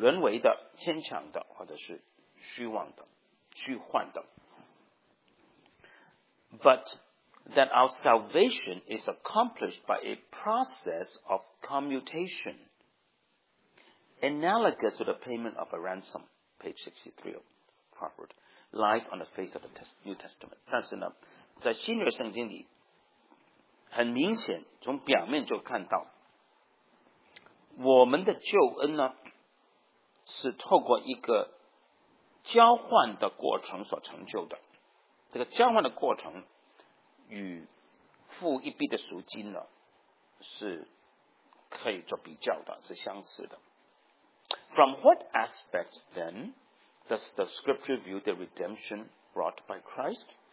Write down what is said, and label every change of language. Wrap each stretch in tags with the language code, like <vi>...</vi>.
<zh>假如这样做的话呢,我们的解释就变成是人为的,牵强的,或者是虚妄的。</zh> <en>But that our salvation is accomplished by a process of commutation, analogous to the payment of a ransom, page 63 of Crawford, lies on the face of the New Testament.</en> <zh>但是呢, 在新约圣经里, 很明显, 从表面就看到, 我们的救恩呢, 是透过一个 交换的过程所成就的，这个交换的过程与付一笔的赎金呢，是可以做比较的，是相似的。</zh> <en>From what aspects then does the Scripture view the redemption wrought by Christ?</en>